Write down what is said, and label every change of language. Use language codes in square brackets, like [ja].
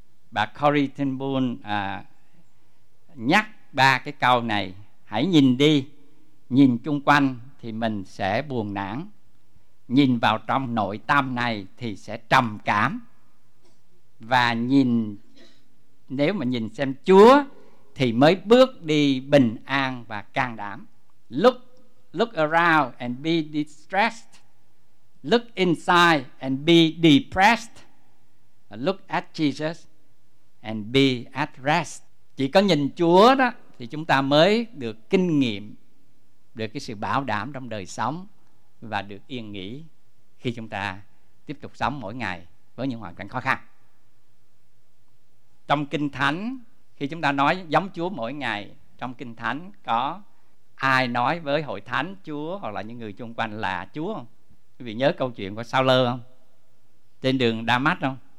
[vi] Bà Corrie ten Boom nhắc ba cái câu này: hãy nhìn đi, nhìn chung quanh thì mình sẽ buồn nản, nhìn vào trong nội tâm này thì sẽ trầm cảm, và nhìn, nếu mà nhìn xem Chúa thì mới bước đi bình an và can đảm. [en] Look around and be distressed, look inside and be depressed, look at Jesus and be at rest. [vi] Chỉ có nhìn Chúa đó thì chúng ta mới được kinh nghiệm được cái sự bảo đảm trong đời sống và được yên nghỉ khi chúng ta tiếp tục sống mỗi ngày với những hoàn cảnh khó khăn. Trong Kinh Thánh, khi chúng ta nói giống Chúa mỗi ngày, trong Kinh Thánh có ai nói với hội thánh Chúa hoặc là những người chung quanh là Chúa không? Quý vị nhớ câu chuyện của Sao-lơ không? Trên đường Đa-mát không?